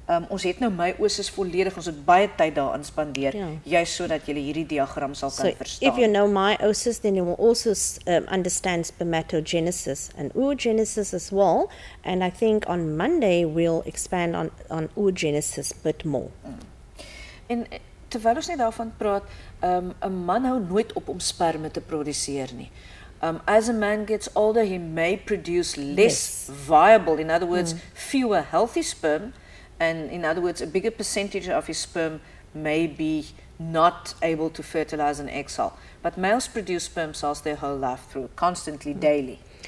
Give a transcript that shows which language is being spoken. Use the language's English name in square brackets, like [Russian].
[Afrikaans] Ons het nou meiosis volledig, ons het baie tyd daar aan spandeer, juist so dat jylle hierdie diagram sal kan verstaan. [English] If you know meiosis, then you will also understand spermatogenesis and oogenesis as well. And I think on Monday we'll expand on oogenesis a bit more. [Afrikaans] En terwyl ons net daarvan praat, 'n man hou nooit op om sperme te produseer nie. [English] As a man gets older, he may produce less viable, in other words, fewer healthy sperm, and in other words, a bigger percentage of his sperm may be not able to fertilize an egg cell. But males produce sperm cells their whole life through, constantly, daily.